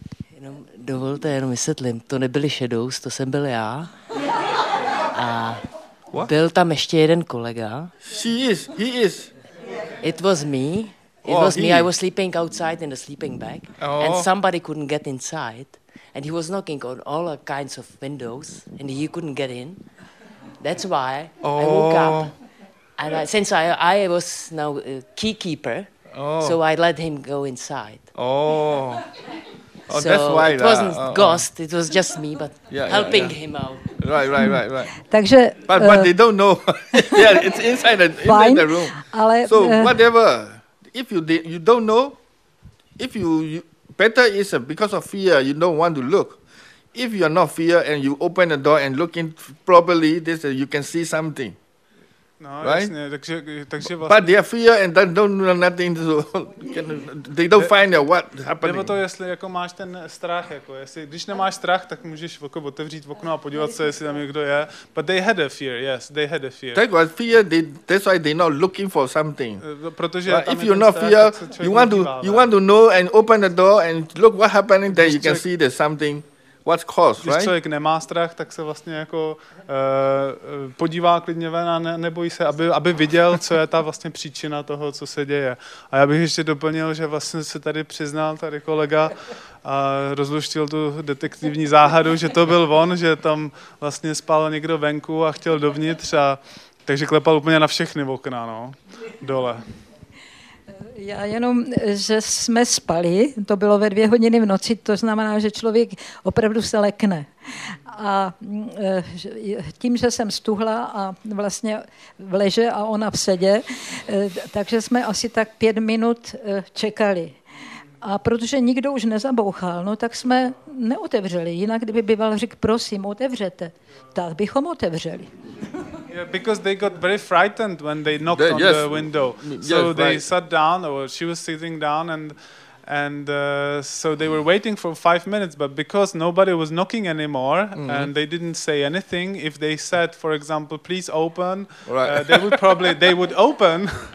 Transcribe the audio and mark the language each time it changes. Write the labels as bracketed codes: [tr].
[cs] Jenom dovolte, jenom vysvětlím. To nebyly shadows. To jsem byl já. A [en] what? [cs] Byl tam ještě jeden kolega. [en] She is. He is. It was me. It was me. I was sleeping outside in the sleeping bag, and somebody couldn't get inside. And he was knocking on all kinds of windows, and he couldn't get in. That's why I woke up. And I, since I was now a keykeeper, so I let him go inside. So that's why it wasn't ghost, it was just me, but helping him out. Right. [cs] Takže, [en] but they don't know. Yeah, it's inside in the room. [cs] Ale, [en] so whatever, if you don't know, if you better is because of fear, you don't want to look. If you are not fear and you open the door and look in properly, you can see something. [cs] No, [en] right? [cs] Jasně, takže vlastně, [en] but they are fear and they don't know nothing. So they don't find out what happening. [cs] Nebo to, jestli jako máš ten strach. Jako jestli, když nemáš strach, tak můžeš otevřít okno a podívat se, jestli tam někdo je. [en] But they had a fear, yes, they had a fear. That was fear, that's why they're not looking for something. [cs] Protože [en] if you're not [cs] strach, [en] fear, you want to know and open the door and look what happening, then you can see there's something. What's cause, [cs] když [en] right? [cs] Člověk nemá strach, tak se vlastně jako podívá klidně ven a nebojí se, aby viděl, co je ta vlastně příčina toho, co se děje. A já bych ještě doplnil, že vlastně se tady přiznal tady kolega a rozluštil tu detektivní záhadu, že to byl on, že tam vlastně spal někdo venku a chtěl dovnitř, a takže klepal úplně na všechny okna, no, dole. Já jenom, že jsme spali, to bylo ve 2 hodiny v noci, to znamená, že člověk opravdu se lekne. A tím, že jsem stuhla a vlastně v leže a ona v sedě, takže jsme asi tak 5 minut čekali. A protože nikdo už nezabouchal, no tak jsme neotevřeli. Jinak kdyby býval řík, prosím, otevřete, tak bychom otevřeli. [en] Yeah, because they got very frightened when they knocked on the window. So yes, they right. sat down, or she was sitting down, and so they were waiting for 5 minutes, but because nobody was knocking anymore, and they didn't say anything, if they said, for example, please open, they would open.